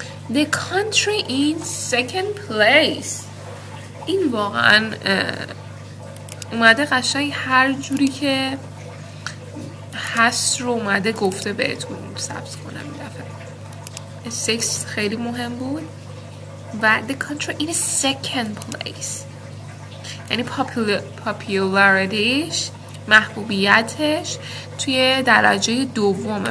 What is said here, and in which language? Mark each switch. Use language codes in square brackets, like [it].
[en] The country in second place. [fa] این واقعا اومده قشنگ هر جوری که هست رو اومده گفته بهتون. سبز کنم این دفعه. Six خیلی مهم بود. [en] و the country in second place. [fa] یعنی popularityش، محبوبیتش توی درجه دومه.